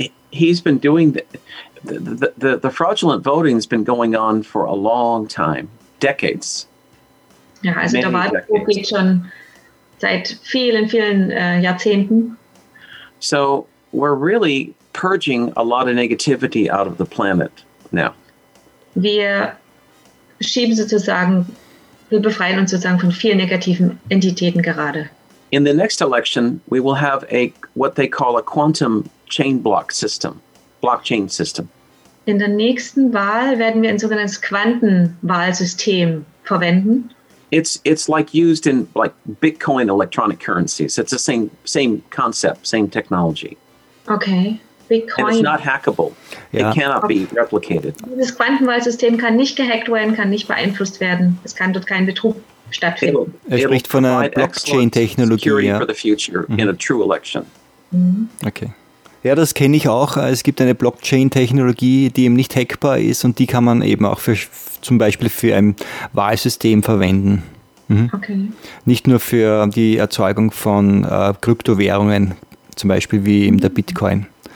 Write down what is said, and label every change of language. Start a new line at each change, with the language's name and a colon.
English: He's been doing the fraudulent voting has been going on for a long time, decades.
German: Ja, also der Wahlbetrug geht schon seit vielen, vielen Jahrzehnten.
English: So we're really purging a lot of negativity out of the planet now.
German: Wir schieben sozusagen, wir befreien uns sozusagen von vielen negativen Entitäten gerade.
English: In the next election, we will have what they call a quantum chain block system, blockchain system.
German: In der nächsten Wahl werden wir ein sogenanntes Quantenwahlsystem verwenden.
English: It's like used in like Bitcoin electronic currencies. It's the same concept, same technology. Okay, Bitcoin. And it's not hackable. Yeah. It cannot be replicated.
German: Dieses Quantenwahlsystem kann nicht gehackt werden, kann nicht beeinflusst werden. Es kann dort kein Betrug stattfinden. Er spricht von einer Blockchain-Technologie.
English: Security for the future in a true election.
German: Okay. Ja, das kenne ich auch. Es gibt eine Blockchain-Technologie, die eben nicht hackbar ist und die kann man eben auch für zum Beispiel für ein Wahlsystem verwenden. Okay. Nicht nur für die Erzeugung von Kryptowährungen, zum Beispiel wie eben der Bitcoin.